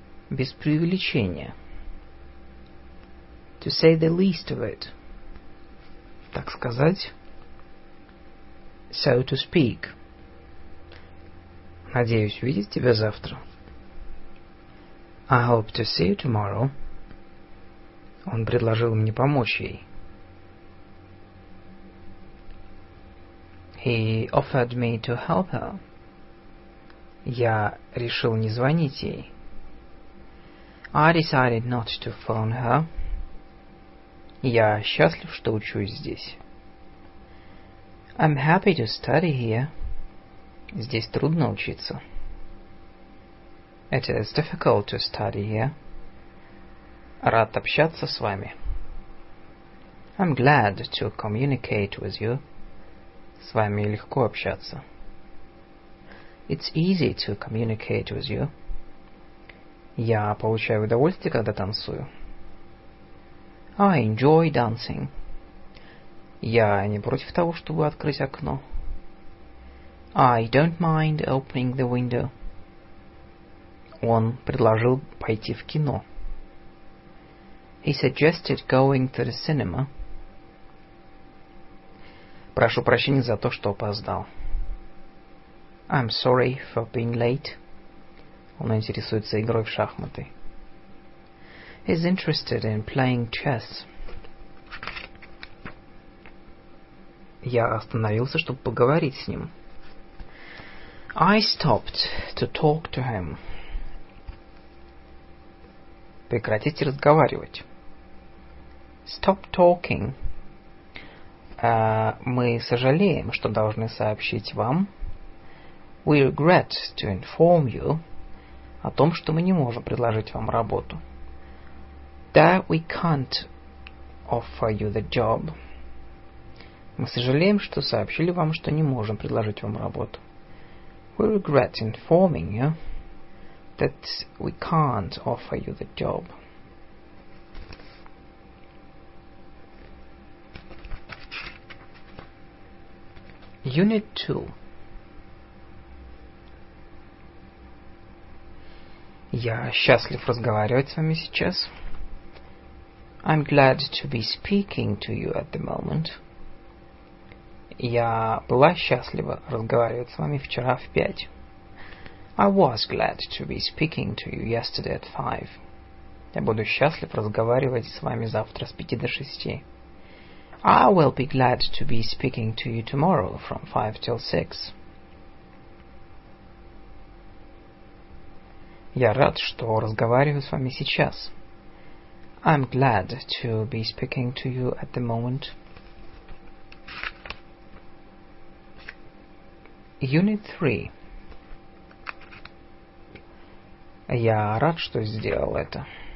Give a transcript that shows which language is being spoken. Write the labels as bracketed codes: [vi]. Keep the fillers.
[ru] без преувеличения. [en] To say the least of it. [ru] Так сказать. [en] So to speak. [ru] Надеюсь увидеть тебя завтра. [en] I hope to see you tomorrow. [ru] Он предложил мне помочь ей. [en] He offered me to help her. [ru] Я решил не звонить ей. [en] I decided not to phone her. [ru] Я счастлив, что учусь здесь. [en] I'm happy to study here. [ru] Здесь трудно учиться. [en] It is difficult to study here. [ru] Рад общаться с вами. [en] I'm glad to communicate with you. [ru] С вами легко общаться. [en] It's easy to communicate with you. [ru] Я получаю удовольствие, когда танцую. [en] I enjoy dancing. [ru] Я не против того, чтобы открыть окно. [en] I don't mind opening the window. [ru] Он предложил пойти в кино. [en] He suggested going to the cinema. [ru] Прошу прощения за то, что опоздал. [en] I'm sorry for being late. [ru] Он интересуется игрой в шахматы. [en] He's interested in playing chess. [ru] Я остановился, чтобы поговорить с ним. [en] I stopped to talk to him. [ru] Прекратите разговаривать. [en] Stop talking. [ru] А, мы сожалеем, что должны сообщить вам. [en] We regret to inform you [ru] о том, что мы не можем предложить вам работу. [en] That we can't offer you the job. [ru] Мы сожалеем, что сообщили вам, что не можем предложить вам работу. [en] We regret informing you that we can't offer you the job. [ru] Unit 2 Я счастлив разговаривать с вами сейчас. [en] I'm glad to be speaking to you at the moment. [ru] Я была счастлива разговаривать с вами вчера в пять. [en] I was glad to be speaking to you yesterday at five. [ru] Я буду счастлив разговаривать с вами завтра с пяти до шести. [en] I will be glad to be speaking to you tomorrow from five till six. [ru] Я рад, что разговариваю с вами сейчас. [en] I'm glad to be speaking to you at the moment. Unit 3. [ru] Я рад, что сделал это.